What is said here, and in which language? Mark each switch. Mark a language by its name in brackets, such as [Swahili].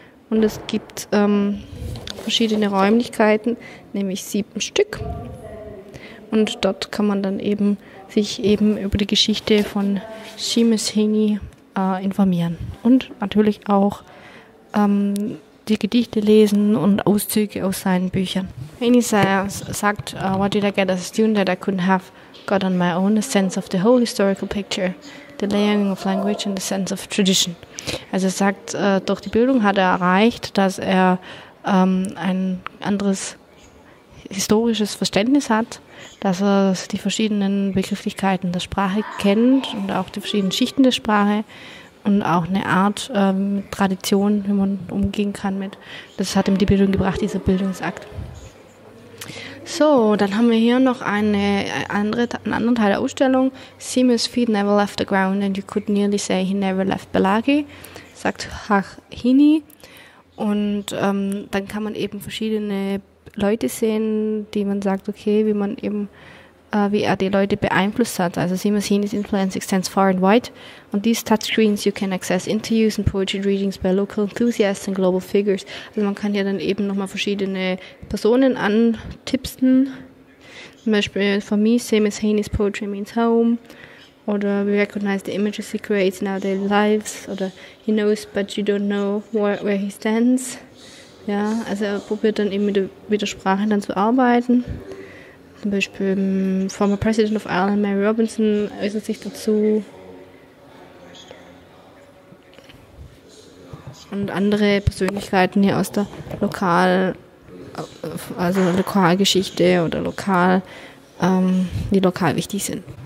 [German] Und es gibt verschiedene Räumlichkeiten, nämlich 7 Stück. Und dort kann man dann eben sich eben über die Geschichte von Seamus Heaney informieren und natürlich auch die Gedichte lesen und Auszüge aus seinen Büchern. [English] Heaney sagt, what did I get as a student that I couldn't have got on my own, a sense of the whole historical picture, the layering of language and the sense of tradition. [German] Also er sagt, durch die Bildung hat er erreicht, dass er ein anderes historisches Verständnis hat, dass er die verschiedenen Begrifflichkeiten der Sprache kennt und auch die verschiedenen Schichten der Sprache und auch eine Art Tradition, wie man umgehen kann mit. Das hat ihm die Bildung gebracht, dieser Bildungsakt. So, dann haben wir hier noch einen anderen Teil der Ausstellung. [English] Seamus feet never left the ground and you could nearly say he never left Belagi, [German] sagt [English] Hachini. [German] Und dann kann man eben verschiedene Leute sehen, die man sagt, okay, wie man eben, wie er die Leute beeinflusst hat. Also [English] Seamus Heaney's influence extends far and wide. On these touchscreens you can access interviews and poetry readings by local enthusiasts and global figures. [German] Also man kann hier dann eben nochmal verschiedene Personen antipsen. Zum Beispiel, [English] for me, Seamus Heaney's poetry means home. [German] Oder [English] we recognize the images he creates in our daily lives. [German] Oder [English] he knows, but you don't know where he stands. [German] Ja, also er probiert dann eben mit der Sprache dann zu arbeiten. Zum Beispiel [English] former President of Ireland, [German] Mary Robinson, äußert sich dazu. Und andere Persönlichkeiten hier aus der Lokalgeschichte oder die lokal wichtig sind.